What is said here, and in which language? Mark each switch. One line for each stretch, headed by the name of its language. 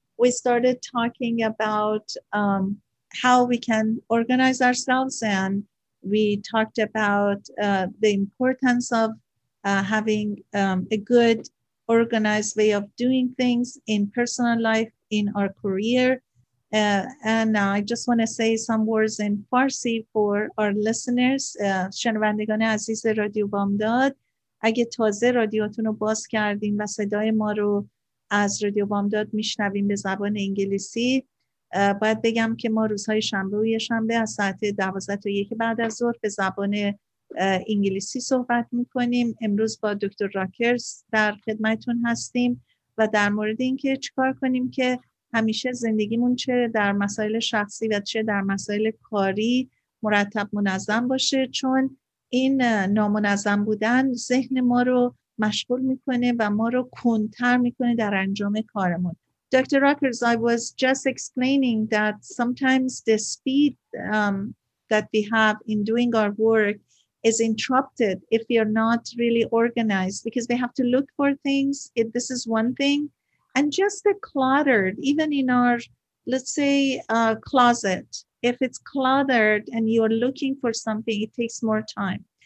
English: We started talking about how we can organize ourselves, and we talked about the importance of having a good, organized way of doing things in personal life, in our career. And I just want to say some words in Farsi for our listeners.
Persian: شنوندگان عزیز رادیو بامداد، اگه تازه رادیوتون رو باز کردین و صدای ما رو از رادیو بامداد میشنوین به زبان انگلیسی، باید بگم که ما روزهای شنبه و یکشنبه از ساعت 12:01 بعد از ظهر به زبان انگلیسی صحبت میکنیم. امروز با دکتر راکرز در خدمتون هستیم و در مورد اینکه چیکار کنیم که همیشه زندگیمون چه در مسائل شخصی و چه در مسائل کاری مرتب منظم باشه، چون این نامنظم بودن ذهن ما رو مشغول میکنه و ما رو کندتر میکنه در انجام کارمون.
English: Dr. Rockers, I was just explaining that sometimes the speed that we have in doing our work is interrupted if we are not really organized, because we have to look for things. If this is one thing. And just the cluttered, even in our, let's say, closet, if it's cluttered and you're looking for something, it takes more time.